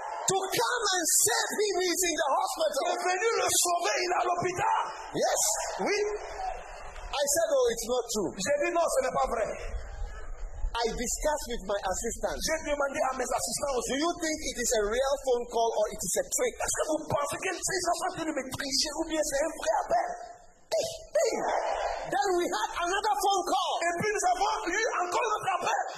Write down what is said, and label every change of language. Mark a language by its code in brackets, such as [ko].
[en] To come and save him, he's in the hospital. [fr] Il est venu le sauver, il est à l'hôpital. [en] Yes. [fr] Oui. [en] I said, oh, it's not true. [fr] J'ai dit, non, ce n'est pas vrai. [en] I discussed with my assistant. [fr] J'ai demandé à mes assistants aussi. [en] Do you think it is a real phone call or it is a trick? [fr] Est-ce que vous pensez que c'est ça, c'est une tricherie ou bien c'est un vrai appel? [en] Then we had another phone call. [fr] Et puis nous avons eu encore notre appel.